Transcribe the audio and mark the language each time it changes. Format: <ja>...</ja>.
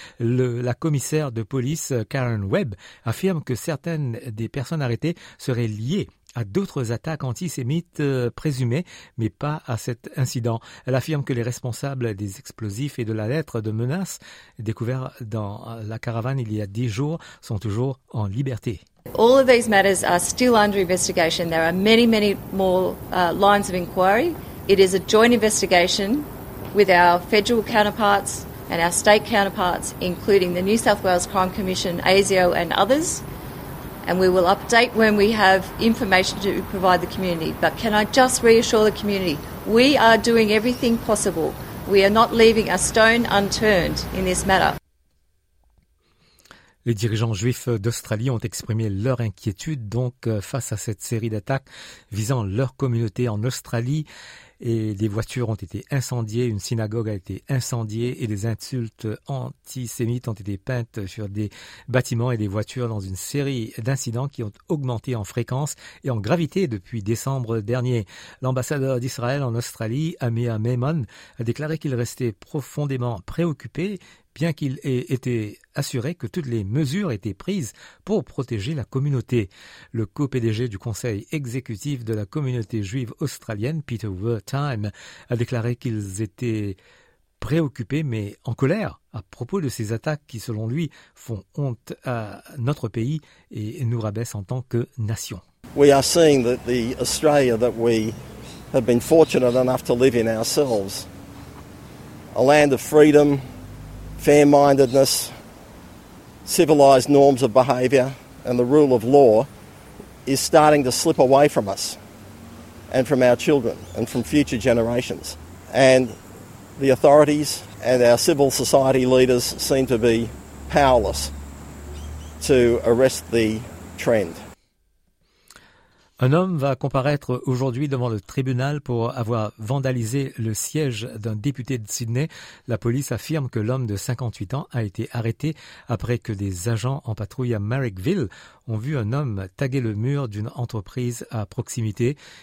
<fr>La commissaire de police Karen Webb affirme que certaines des personnes arrêtées seraient liées à d'autres attaques antisémites présumées, mais pas à cet incident. Elle affirme que les responsables des explosifs et de la lettre de menace découverte dans la caravane il y a 10 jours sont toujours en liberté.</fr> <en>All of these matters are still under investigation. There are many, many more lines of inquiry. It is a joint investigation with our federal counterparts and our state counterparts, including the New South Wales Crime Commission, ASIO and others. And we will update when we have information to provide the community. But can I just reassure the community, we are doing everything possible. We are not leaving a stone unturned in this matter.</en> <fr>Les dirigeants juifs d'Australie ont exprimé leur inquiétude donc face à cette série d'attaques visant leur communauté en Australie. Et des voitures ont été incendiées, une synagogue a été incendiée et des insultes antisémites ont été peintes sur des bâtiments et des voitures dans une série d'incidents qui ont augmenté en fréquence et en gravité depuis décembre dernier. L'ambassadeur d'Israël en Australie, Amir Maimon, a déclaré qu'il restait profondément préoccupé, bien qu'il ait été assuré que toutes les mesures étaient prises pour protéger la communauté. Le co-PDG du conseil exécutif de la communauté juive australienne, Peter Wertheim, a déclaré qu'ils étaient préoccupés mais en colère à propos de ces attaques qui, selon lui, font honte à notre pays et nous rabaissent en tant que nation.</fr> <en>We are seeing that the Australia that we have been fortunate enough to live in ourselves, a land of freedom, fair-mindedness, civilized norms of behavior, and the rule of law is starting to slip away from us and from our children and from future generations. And the authorities and our civil society leaders seem to be powerless to arrest the trend.</en> <fr>Un homme va comparaître aujourd'hui devant le tribunal pour avoir vandalisé le siège d'un député de Sydney. La police affirme que l'homme de 58 ans a été arrêté après que des agents en patrouille à Marrickville ont vu un homme taguer le mur d'une entreprise à proximité.</fr>